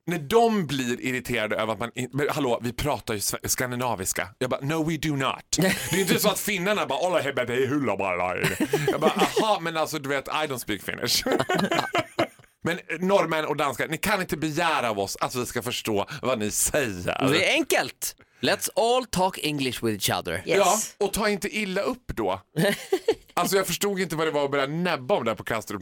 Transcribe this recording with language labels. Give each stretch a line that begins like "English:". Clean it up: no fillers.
Swedish: När de blir irriterade över att man... hallå, vi pratar ju skandinaviska. Jag bara,
English: no we do not.
Swedish: Det är inte så att finnarna bara, alla hebbe, det är hulla bara. Jag bara, aha, men alltså du vet,
English: I don't speak Finnish.
Swedish: Men norrmän och danskar, ni kan inte begära av oss att vi ska förstå vad ni säger. Det är enkelt.
English: Let's all talk English with each other. Yes.
Swedish: Ja, och ta inte illa upp då. Alltså, jag förstod inte vad det var att börja näbba om det här på Kastrup.